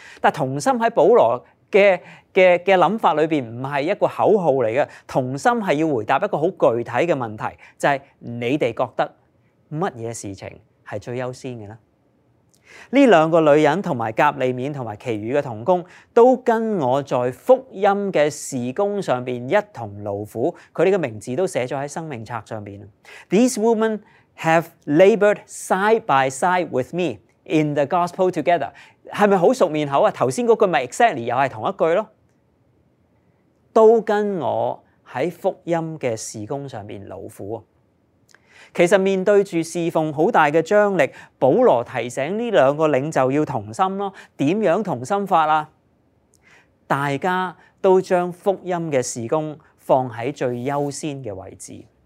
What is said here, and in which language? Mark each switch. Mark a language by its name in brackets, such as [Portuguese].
[Cantonese] 但同心喺保羅嘅諗法裏邊唔係一個口號嚟嘅，同心係要回答一個好具體嘅問題，就係你哋覺得乜嘢事情係最優先嘅咧？呢兩個女人同埋甲利面同埋其餘嘅同工，都跟我在福音嘅事工上邊一同勞苦。佢哋嘅名字都寫咗喺生命冊上邊。 [English] These women have labored side by side with me in the gospel together。 [Cantonese] 係咪好熟面口啊？頭先嗰句咪 exactly 又係同一句咯。都跟我喺福音嘅事工上邊勞苦。其實面對住侍奉好大嘅張力，保羅提醒呢兩個領袖要同心咯。點樣同心法啊？大家都將福音嘅事工放喺最優先嘅位置。